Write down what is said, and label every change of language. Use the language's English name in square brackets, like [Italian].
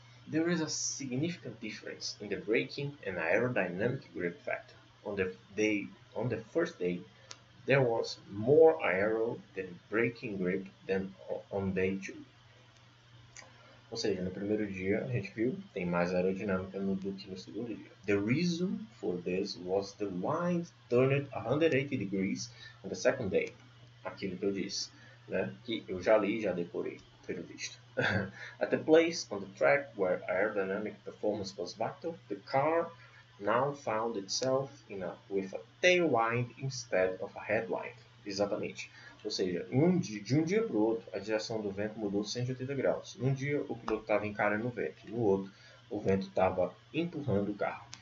[English] There is a significant difference in the braking and aerodynamic grip factor. On the first day, there was more aero than braking grip than on day two. [Portuguese] Ou seja, no primeiro dia, a gente viu, tem mais aerodinâmica do que no segundo dia. [English] The reason for this was the wind turned 180 degrees on the second day. [Portuguese] Aquilo que eu disse, né? Que eu já li e já decorei, pelo visto. [English] At the place on the track where aerodynamic performance was vital, the car now found itself with a tailwind instead of a headwind. [Portuguese] Exatamente. Ou seja, de um dia para o outro, a direção do vento mudou 180 graus. Num dia, o piloto estava encarando o vento. No outro, o vento estava empurrando o carro.